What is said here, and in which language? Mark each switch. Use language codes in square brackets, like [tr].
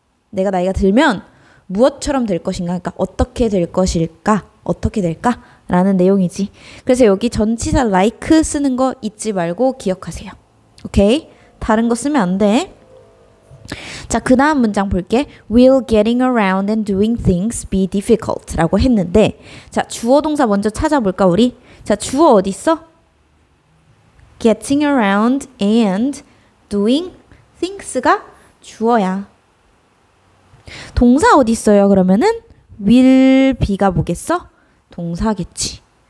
[ko] 내가 나이가 들면 무엇처럼 될 것인가? 그러니까 어떻게 될 것일까? 어떻게 될까? 라는 내용이지. 그래서 여기 전치사 like 쓰는 거 잊지 말고 기억하세요. 오케이? 다른 거 쓰면 안 돼. 자, 그 다음 문장 볼게. [en] Will getting around and doing things be difficult? [ko] 라고 했는데, 자, 주어 동사 먼저 찾아볼까 우리? 자, 주어 어딨어? [en] Getting around and doing things [ko] 가 주어야. 동사 어딨어요? 그러면은 will be가 뭐겠어? 동사겠지.